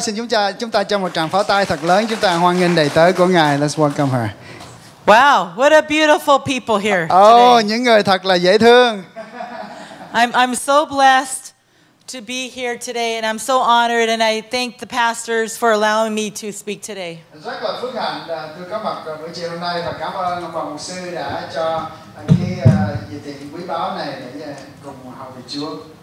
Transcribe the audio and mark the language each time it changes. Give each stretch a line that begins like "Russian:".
Vietnamese: Xin chúng ta cho một tràng pháo tay thật lớn. Chúng ta hoan nghênh đầy tớ của Ngài.
English: Let's welcome her. Wow, what a beautiful people here. Oh, today.
Vietnamese: Những người thật là dễ thương.
English: I'm so blessed to be here today, and I'm so honored, and I thank the pastors for allowing me to speak today.
Vietnamese: Rất là phước hạnh được có mặt buổi chiều hôm nay, và cảm ơn ông bà mục sư đã cho cái dịp tiệc quý báu này để cùng hầu việc Chúa.